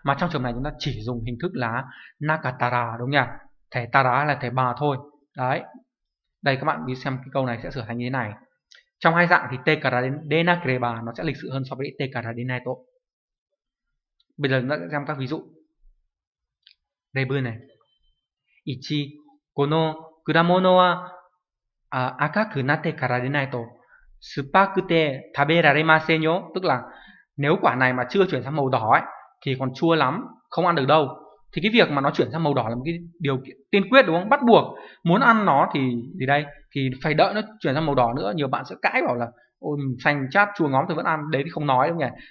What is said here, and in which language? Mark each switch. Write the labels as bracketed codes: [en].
[vi] Mà trong trường này chúng ta chỉ dùng hình thức là nakatara đúng nhỉ, thể tara là thể bà thôi. Đấy, đây các bạn đi xem cái câu này sẽ sửa thành như thế này. Trong hai dạng thì te karadena kreba nó sẽ lịch sự hơn so với te karadena to. Bây giờ chúng ta sẽ xem các ví dụ. [ja] 例文ね。1. この果物は赤くなってから出ないと酸っぱくて食べられませんよ。 [vi] Tức là nếu quả này mà chưa chuyển sang màu đỏ ấy, thì còn chua lắm, không ăn được đâu. Thì cái việc mà nó chuyển sang màu đỏ là một cái điều kiện tiên quyết đúng không? Bắt buộc muốn ăn nó thì gì đây? Thì phải đợi nó chuyển sang màu đỏ nữa. Nhiều bạn sẽ cãi bảo là ôi, xanh chát chua ngóm thì vẫn ăn. Đấy thì không nói đúng không nhỉ?